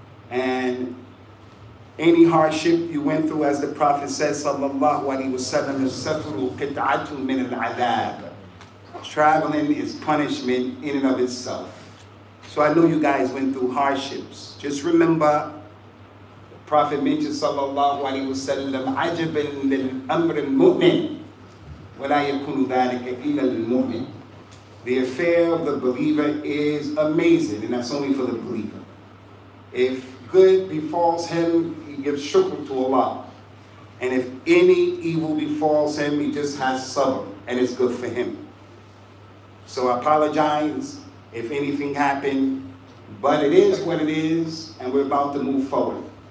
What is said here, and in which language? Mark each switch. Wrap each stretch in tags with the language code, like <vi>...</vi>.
<en>And any hardship you went through, as the Prophet said, sallallahu alayhi wa sallam,</en> <ar>as-safru qit'atun min al-'adab.</ar> <en>Traveling is punishment in and of itself. So I know you guys went through hardships. Just remember, Prophet mentioned</en> <ar>sallallahu alayhi wa sallam, عَجَبًا لِلْأَمْرِ الْمُؤْمِنِ وَلَا يَكُنُ ذَلِكَ إِلَّا الْمُؤْمِنِ.</ar> <en>The affair of the believer is amazing, and that's only for the believer. If good befalls him, he gives shukr to Allah. And if any evil befalls him, he just has sabr, and it's good for him. So I apologize if anything happened, but it is what it is, and we're about to move forward.</en>